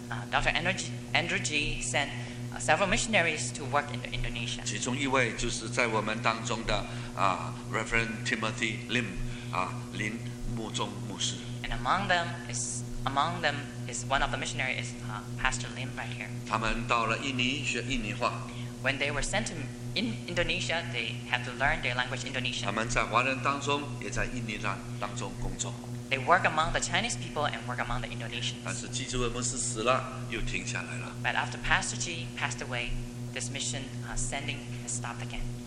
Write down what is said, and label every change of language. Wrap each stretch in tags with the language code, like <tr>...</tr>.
<en>Dr. Andrew G sent several missionaries to work in Indonesia.</en> <zh>其中一位就是在我们当中的 Reverend Timothy Lim, 林牧中牧师.</zh> <en>And among them is one of the missionaries is Pastor Lim right here.</en> <zh>他们到了印尼学印尼话.</zh> <en>When they were sent to Indonesia, they had to learn their language Indonesian.</en> <zh>他们在华人当中也在印尼当中工作.</zh> <en>They work among the Chinese people and work among the Indonesians.</en> <zh>但是基督文牧师死了，又停下来了.</zh> <en>But after Pastor Ji passed away, this mission sending has stopped again.</en>